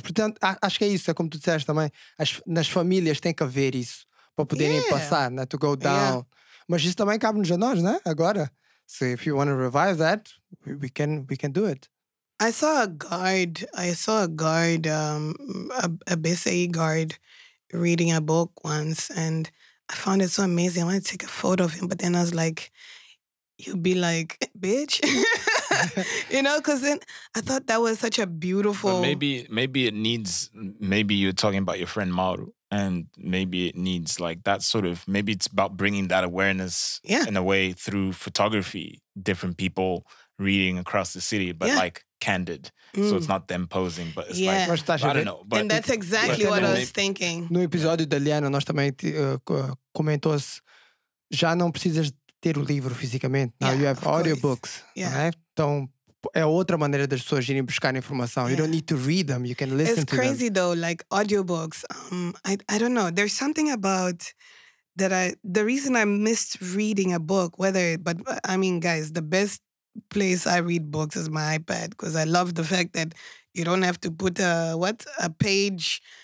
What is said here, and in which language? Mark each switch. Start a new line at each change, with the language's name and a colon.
Portuguese: Portanto, acho que é isso. É como tu disseste também. Nas famílias tem que haver isso. Para poderem passar, né?
English: To go down.
Portuguese: Yeah. Mas isso também cabe-nos a nós, né? Agora.
English: So if you want to revive that, we can do it. I saw a guard, a BCI guard, reading a book once. And I found it so amazing. I wanted to take a photo of him. But then I was like, you'd be like, bitch. You know, because then I thought that was such a beautiful. But maybe it needs. Maybe you're talking about your friend Maru, and maybe it needs like that sort of. Maybe it's about bringing that awareness, in a way through photography. Different people reading across the city, but like candid, so it's not them posing, but it's like I don't know. But and that's exactly what I was thinking.
Portuguese: No episódio da Liana, nós também comentamos. Já não precisas ter o livro fisicamente.
English: Now you have audiobooks. Yeah.
Portuguese: Então, é outra maneira das pessoas irem buscar informação.
English: Yeah. You don't need to read them. You can listen it's to them. It's crazy though, like audiobooks. I don't know. There's something about that the reason I missed reading a book, I mean, guys, the best place I read books is my iPad because I love the fact that you don't have to put a page.